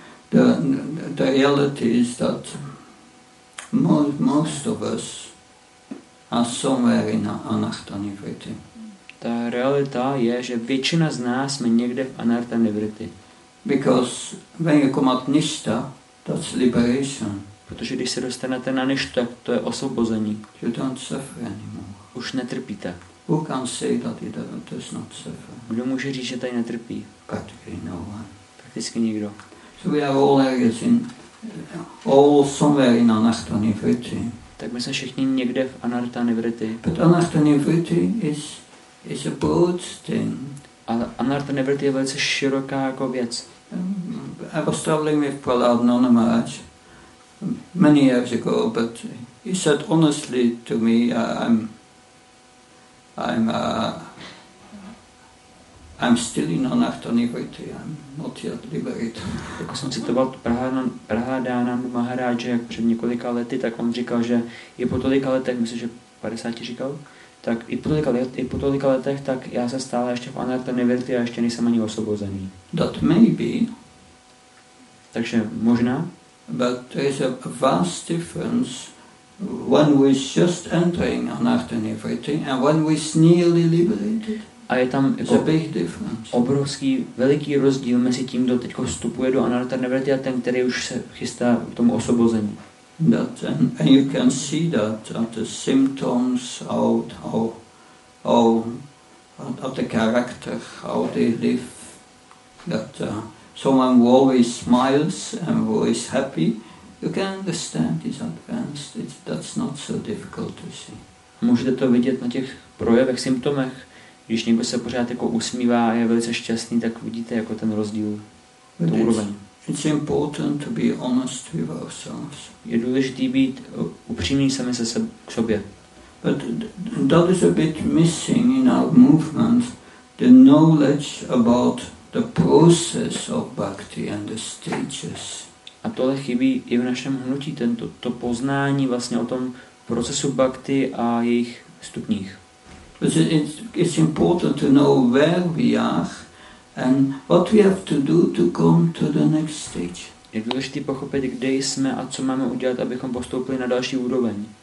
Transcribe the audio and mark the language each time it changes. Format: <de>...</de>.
<en>The reality is that most of us are somewhere in anartha nivritti.</en> <cs>Ta realita je, že většina z nás jsme někde v anartha nivritti.</cs> <en>Because when you come out nishta, that's liberation.</en> <cs>Protože když se dostanete na nishta, to je osvobození.</cs> <en>You don't suffer anymore.</en> <cs>Už netrpíte.</cs> <en>Who can say that it does not suffer?</en> <cs>Kdo může říct, že tady netrpí?</cs> <en>Practically no one.</en> <cs>Prakticky nikdo.</cs> <en>So we are all areas in, all somewhere in anartha nivritti.</en> <cs>Tak my jsme všichni někde v anartha nivritti.</cs> <en>But anartha nivritti is a broad thing.</en> <cs>Ale anartha nivritti je velice široká jako věc.</cs> <en>I was traveling with Prahlad Nanamaraj many years ago, but he said honestly to me, I'm still in anartha nivritti. I'm not yet liberated.</en> <cs>Jako jsem citoval Prahládána Maharáže před několika lety, tak on říkal, že i po tolika letech, myslím, že 50 říkal, tak i po tolika letech, tak já jsem stále ještě v anartha nivritti a ještě nejsem ani osvobozený.</cs> <en>That may be.</en> <cs>Takže možná.</cs> <en>But there is a vast difference. When we just entering anartha nivritti and when we nearly liberated.</en> <cs>A je tam jako obrovský, veliký rozdíl mezi tím, kdo teď vstupuje do anartha nivritti a ten, který už se chystá k tomu osvobození.</cs> <en>And you can see that the symptoms of the character, how they live, that someone who always smiles and who is happy. You can understand it's advanced. That's not so difficult to see.</en> <cs>Můžete to vidět na těch projevech, symptomech, když někdo se pořád jako usmívá a je velice šťastný, tak vidíte jako ten rozdíl, ten úroveň.</cs> <en>It's important to be honest with ourselves.</en> <cs>Je důležité být upřímný sami se k sobě.</cs> <en>But that is a bit missing in our movement, the knowledge about the process of bhakti and the stages.</en> <cs>A tohle chybí i v našem hnutí, to poznání vlastně o tom procesu bhakti a jejich stupních.</cs> <en>It's important to know where we are and what we have to do to come to the next stage.</en> <cs>Je důležité pochopit, kde jsme a co máme udělat, abychom postoupili na další úroveň.</cs>